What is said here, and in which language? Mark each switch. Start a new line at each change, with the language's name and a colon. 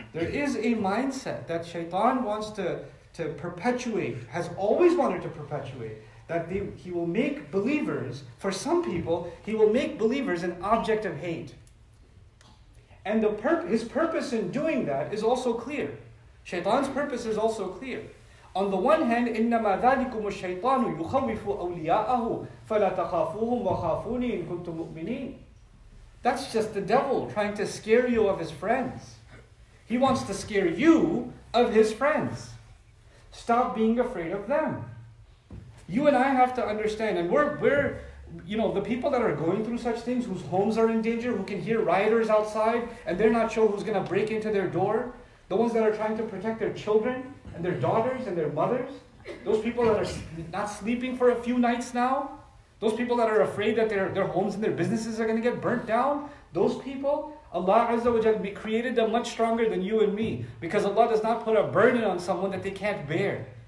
English: There is a mindset that Shaitan wants to perpetuate, has always wanted to perpetuate, that he will make believers, for some people, he will make believers an object of hate. And his purpose in doing that is also clear. Shaitan's purpose is also clear. On the one hand,
Arabic: إِنَّمَا ذَلِكُمُ الشَّيْطَانُ يُخَوِّفُ أَوْلِيَاءَهُ فَلَا تَخَافُوهُمْ وَخَافُونِي إِن كُنْتُمْ مُؤْمِنِينَ.
English: That's just the devil trying to scare you of his friends. He wants to scare you of his friends. Stop being afraid of them. You and I have to understand, and we're, you know, the people that are going through such things, whose homes are in danger, who can hear rioters outside, and they're not sure who's going to break into their door, the ones that are trying to protect their children, and their daughters, and their mothers, those people that are not sleeping for a few nights now, those people that are afraid that their homes and their businesses are going to get burnt down, those people, Allah Azza wa Jalla created them much stronger than you and me, because Allah does not put a burden on someone that they can't bear.